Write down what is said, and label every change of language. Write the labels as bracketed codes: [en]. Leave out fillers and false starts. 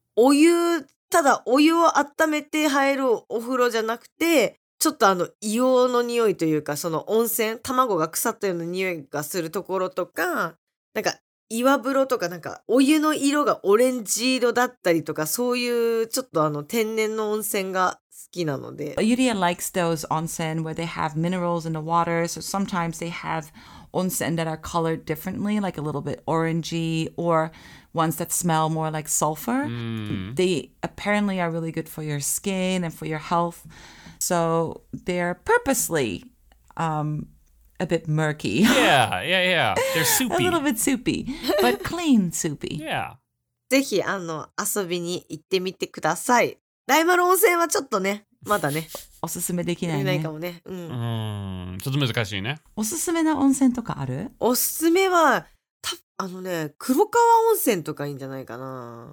[ja] お湯、ただお湯を温めて入るお風呂じゃなくて、ちょっとあの硫黄の匂いというか、その温泉卵が腐ったような匂いがするところとか、なんか岩風呂とか、なんかお湯の色がオレンジ色だったりとか、そういうちょっとあの天然の温泉が好きなので。 [en] Yuria likes those onsen where they have minerals in the water, so sometimes they have onsen that are colored differently, like a little bit orangey, or ones that smell more like sulfur、 mm. they apparently are really good for your skin and for your healthSo they're purposely、a bit murky. Yeah, yeah, yeah. They're soupy. A little bit soupy, but clean soupy. Yeah. [ja] ぜひ、あの、遊びに行ってみてください。大丸温泉はちょっとね、まだね、おすすめできないね。ないかもね。うん。ちょっと難しいね。おすすめな温泉とかある？おすすめは、あのね、黒川温泉とかいいんじゃないかな。